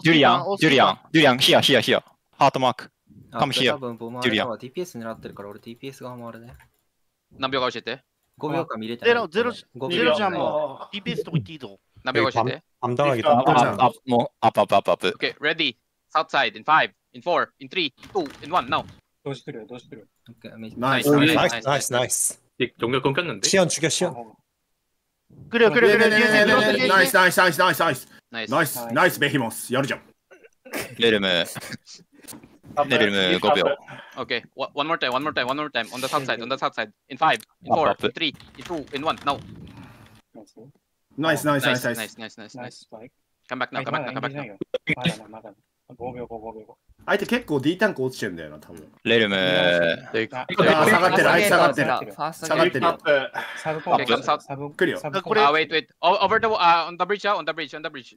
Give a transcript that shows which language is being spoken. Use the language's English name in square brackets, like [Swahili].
[Japanese] ジュリアン、ジュリアン、ジュリアン、ヒア、ヒア、ヒア。ハートマーク。カムヒア。多分ボマーレは DPS 狙ってるから俺 DPS 側もあるね。何秒か教えて。 5秒か見れた、ね。0、0、0じゃんもう。 DPS とこ行っていいぞ。何秒か教えて。アンダーゲット。アップアップもうアップアップアップアップ。 [English] OK、ready。サッサイド、in 5、in 4、in 3、2、in 1、now。 [Japanese] どうしてる、どうしてる。ナイス、ナイス、ナイス。どんがこんかんなんで。シアン、シアン、シアン。くるくるくるくる。ナイス、ナイス、ナイス、ナイス、ナイス。ナイス、ナイス、ベヒモス。やるじゃん。レルム。レルム、5秒。 [English] OK、one more time、one more time、one more time。 On the south side、on the south side。 In 5、in 4、in 3、in 2、in 1、now。 [Japanese] ナイス、ナイス、ナイス、ナイス、ナイス、ナイス。 [English] Come back now、come back now、come back now。 [Japanese] 5秒、5秒、5秒。相手結構 D タンク落ちてんだよな、多分。レルム。下がってる、相手下がってる。下がってる。サブコース。クリオ。これ。あ、 [English] wait, wait. Over the, on the bridge, on the bridge, on the bridge.